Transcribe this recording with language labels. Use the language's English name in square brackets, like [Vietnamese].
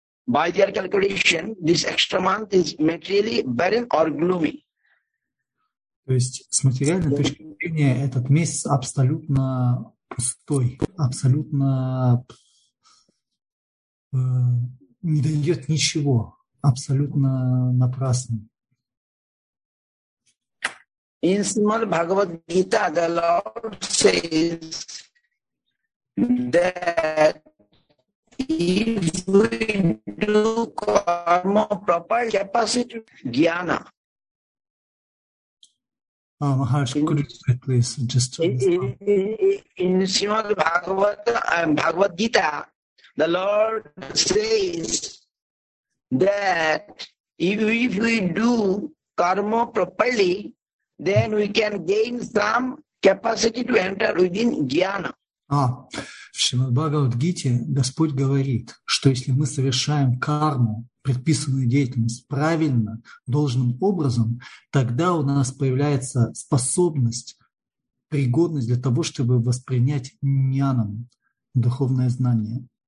[English] By their calculation, this extra month is materially barren or gloomy. [Russian] То есть с материальной точки зрения этот месяц абсолютно пустой, абсолютно не дает ничего, абсолютно напрасно. [English] In Srimad Bhagavad Gita, the Lord says that if we do karma properly, capacity jnana. Oh, Maharaj, could you say please, just to In Srimad Bhagavad Gita, the Lord says that if we do karma properly, then we can gain some capacity to enter within jnana. [Russian] А, в Шримад-Бхагавад-Гите Господь говорит, что если мы совершаем карму, предписанную деятельность, правильно, должным образом, тогда у нас появляется способность, пригодность для того, чтобы воспринять джнанам, духовное знание.